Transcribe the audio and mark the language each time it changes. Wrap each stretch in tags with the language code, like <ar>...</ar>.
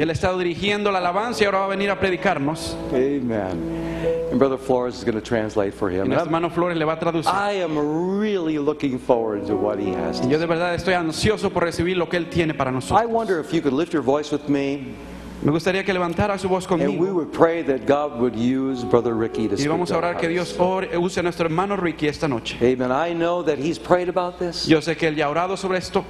<es>Él ha estado dirigiendo la alabanza y ahora va a venir a predicarnos.</es> <en>Amen. And Brother Flores is going to translate for him.</en> <es>Y nuestro hermano Flores le va a traducir.</es> <en>I am really looking forward to what he has to say.</en> <es>Yo de verdad estoy ansioso por recibir lo que él tiene para nosotros.</es> <en>I wonder if you could lift your voice with me.</en> <es>Me gustaría que levantara su voz conmigo.</es> <en>And we would pray that God would use Brother Ricky to speak.</en> <es>Y vamos a orar que Dios use a nuestro hermano Ricky esta noche.</es> <en>Amen. I know that he's prayed about this.</en> <es>Yo sé que él ya ha orado sobre esto.</es>